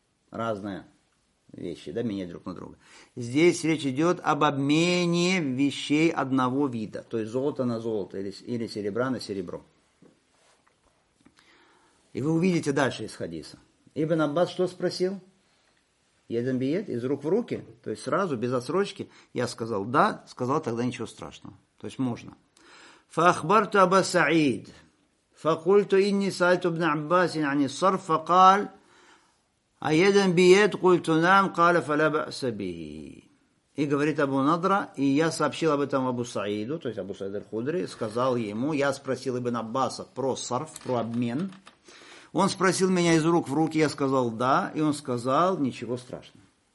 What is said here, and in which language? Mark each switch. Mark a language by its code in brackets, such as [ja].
[ru] Разные вещи, да, менять друг на друга. Здесь речь идет об обмене вещей одного вида, то есть золото на золото или серебра на серебро. И вы увидите дальше из хадиса. Ибн Аббас что спросил? Едем биед, из рук в руки, то есть сразу, без отсрочки. Я сказал да, сказал тогда ничего страшного, то есть можно. [ar] فأخبرت أبا سعيد فقلت إني سألت ابن عباس عن الصرف فقال А еден биет культу нам кале фалеба сабихи. [ru] И говорит Абу Надра, и я сообщил об этом Абу Саиду, то есть Абу Саид аль-Худри, сказал ему, я спросил Ибн Аббаса про сарф, про обмен. Он спросил меня из рук в руки, я сказал да, и он сказал, ничего страшного.